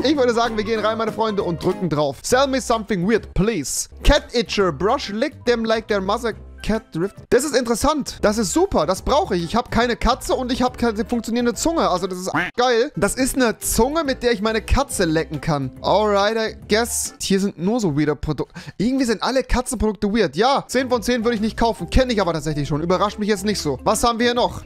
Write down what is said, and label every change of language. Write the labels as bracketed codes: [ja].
[de] Ich würde sagen, wir gehen rein, meine Freunde, und drücken drauf. [en] Sell me something weird, please. Cat Itcher, brush lick them like their mother... [de] Cat Drift. Das ist interessant. Das ist super. Das brauche ich. Ich habe keine Katze und ich habe keine funktionierende Zunge. Also das ist geil. Das ist eine Zunge, mit der ich meine Katze lecken kann. [en] Alright, I guess. [de] Hier sind nur so weirde Produkte. Irgendwie sind alle Katzenprodukte weird. Ja, 10 von 10 würde ich nicht kaufen. Kenne ich aber tatsächlich schon. Überrascht mich jetzt nicht so. Was haben wir hier noch?